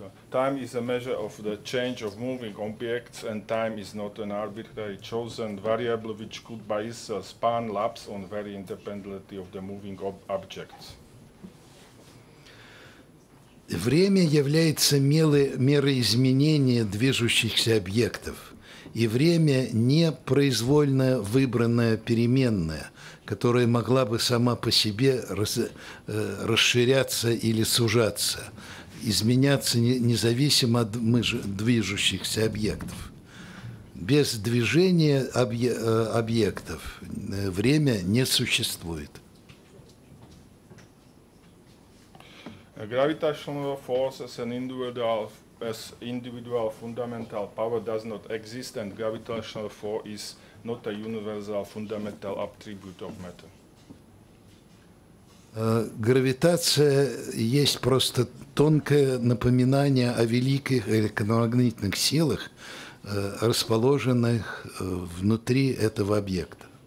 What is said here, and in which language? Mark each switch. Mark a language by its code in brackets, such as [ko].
[en] The time is a measure of the change of moving objects, and time is not an arbitrary chosen variable which could by itself span lapse on very independently of the moving objects. [ru] Время является мерой изменения движущихся объектов, и время не произвольно выбранная переменная, которая могла бы сама по себе расширяться или сужаться, изменяться независимо от движущихся объектов. Без движения объектов время не существует. [en] A gravitational force as individual fundamental power does not exist, and gravitational force is not a universal fundamental attribute of matter. [ru] Гравитация есть просто тонкое напоминание о великих электромагнитных силах, расположенных внутри этого объекта.